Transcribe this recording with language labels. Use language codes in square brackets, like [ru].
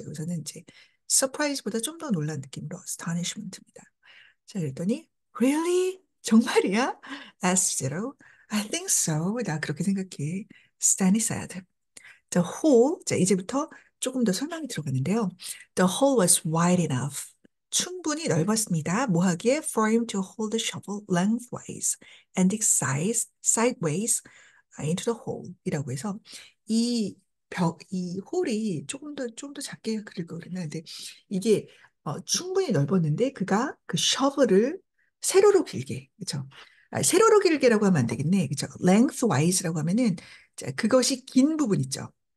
[ko] 제가 우선은 이제 surprise보다 좀더 놀란 느낌으로 astonishment입니다. [en] 자, [ko] 그랬더니 [en] really? [ko] 정말이야? [en] asked Zero. I think so. [ko] 나 그렇게 생각해. [en] Stanley said. The hole. [ko] 자, 이제부터 조금 더 설명이 들어가는데요. [en] The hole was wide enough. [ko] 충분히 넓었습니다. 뭐 하기에? [en] For him to hold the shovel lengthwise and dig sideways into the hole. [ko] 이라고 해서, 이 홀이 조금 더 작게 그릴 거 그랬나? 근데 이게 충분히 넓었는데 그가 그 셔블을 세로로 길게, 그렇죠? 아, 세로로 길게라고 하면 안 되겠네, 그렇죠? Lengthwise라고 하면은 자, 그것이 긴 부분 있죠.